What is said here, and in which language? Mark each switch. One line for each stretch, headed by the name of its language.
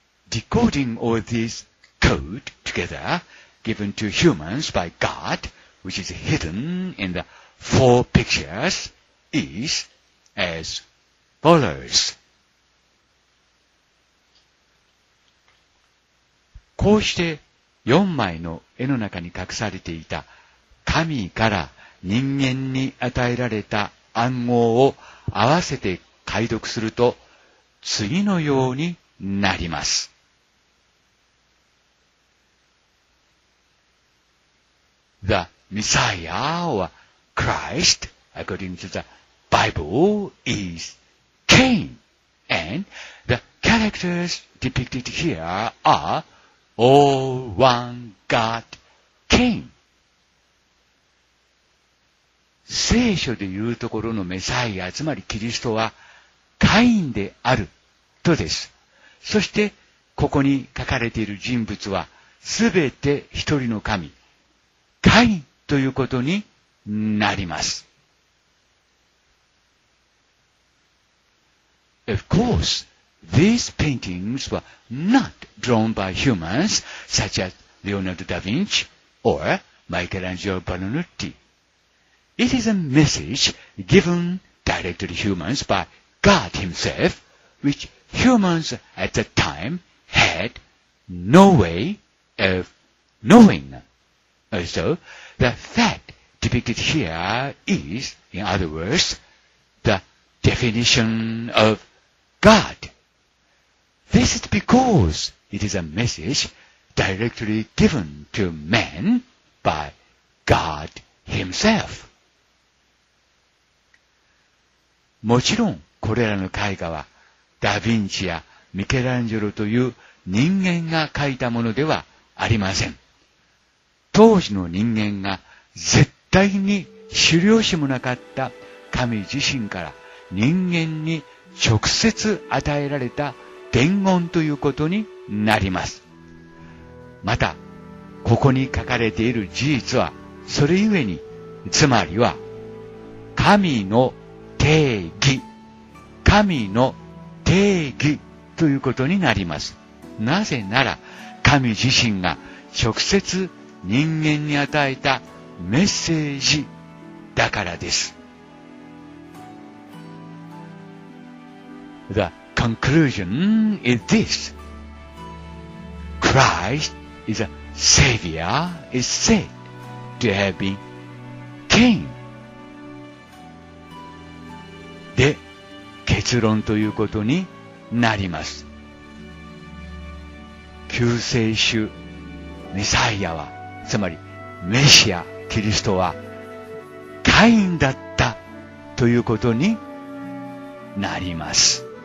English: Decoding all this code together given to humans by God, which is hidden in the four pictures, is as follows.
Japanese: こうして四枚の絵の中に隠されていた神から人間に与えられた暗号を合わせて解読すると次のようになります。
English: The Messiah or Christ, according to the Bible, is King, and the characters depicted here are all one God King.
Japanese: 聖書でいうところのメサイア、つまりキリストはカインであるとです。そしてここに書かれている人物はすべて一人の神。カインということになります。
English: Of course, these paintings were not drawn by humans such as Leonardo da Vinci or Michelangelo Buonarroti. It is a message given directly to humans by God himself, which humans at the time had no way of knowing. Also, the fact depicted here is, in other words, the definition of God. This is because it is a message directly given to man by God himself.
Japanese: もちろん、これらの絵画はダ・ヴィンチやミケランジェロという人間が描いたものではありません。当時の人間が絶対に知る由もなかった神自身から人間に直接与えられた伝言ということになります。また、ここに書かれている事実はそれゆえに、つまりは神の定義、神の定義ということになります。なぜなら神自身が直接人間に与えたメッセージだからです。
English: The conclusion is this. Christ is a savior is said to have been king.
Japanese: で、結論ということになります。救世主、メサイアはつまりメシア、キリストはカインだったということになります。